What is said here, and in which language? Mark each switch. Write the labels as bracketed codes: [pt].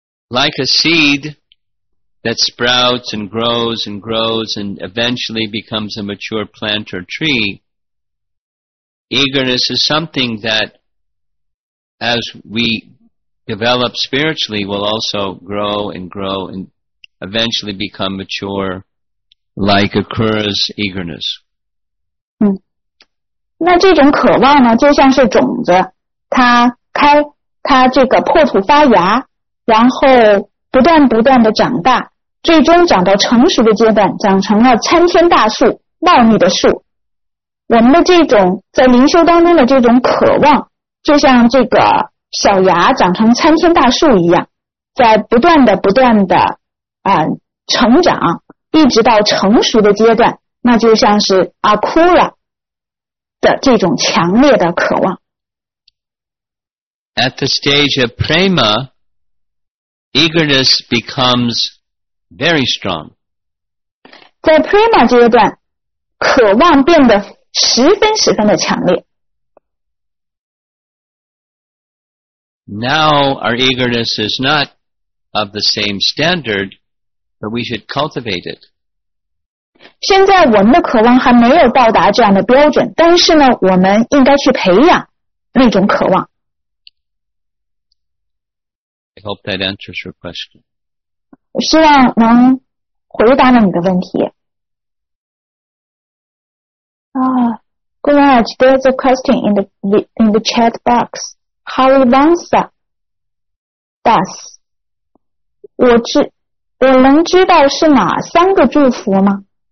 [en] Like a seed that sprouts and grows and grows and eventually becomes a mature plant or tree, eagerness is something that as we develop spiritually will also grow and grow andeventually become mature like Akura's eagerness. [zh] 那这种渴望呢就像是种子它这个破土发芽然后不断不断的长大最终长到成熟的阶段长成了参天大树茂密的树。我们的这种在灵修当中的这种渴望就像这个小芽长成参天大树一样在不断的不断的成长一直到成熟的阶段那就像是 Akura 的这种强烈的渴望 [en] at the stage of prema, eagerness becomes very strong. [zh] 在 prema 阶段，渴望变得十分十分的强烈。 [en] Now our eagerness is not of the same standard, but we should cultivate it. [zh] 现在我们的渴望还没有到达这样的标准，但是呢，我们应该去培养那种渴望。 [en] I hope that answers your question. [zh] 我希望能回答了你的问题。 [en] Guruji, there's a question in the chat box. Harivansa does. [zh] 我能知道是哪三个祝福吗？